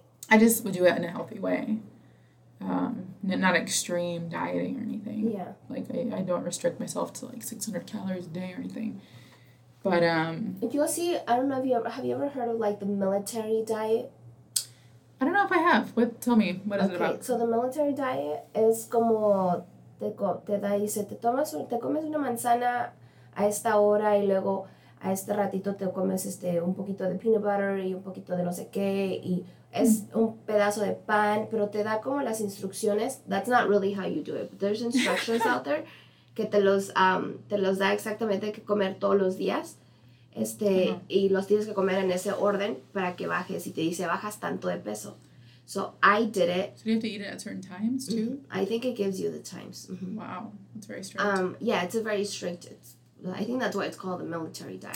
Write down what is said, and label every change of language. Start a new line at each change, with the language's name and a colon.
English: I just would do it in a healthy way. Not extreme dieting or anything. Yeah. Like, I don't restrict myself to, like, 600 calories a day or anything. But, If you'll see, I don't know if you ever, have you ever heard of, like, the military diet? I don't know if I have. What? Tell me. What is, okay, it about? Okay, so the military diet is
Spanish: como te da, dice, te comes una manzana a esta hora y luego a este ratito te comes este un poquito de peanut butter y un poquito de no sé qué y es un pedazo de pan, pero te da como las instrucciones.
English: That's not really how you do it, but there's instructions out there
Spanish: que te los da exactamente que comer todos los días.
English: Este, uh-huh,
Spanish: y los tienes que comer en ese orden para que bajes, y te dice, bajas tanto de peso.
English: So, I did it. So, you have to eat it at certain times, too? Mm-hmm. I think it gives you the times. Mm-hmm. Wow, that's very strict. Yeah, it's a very strict, it's, I think that's why it's called a military diet.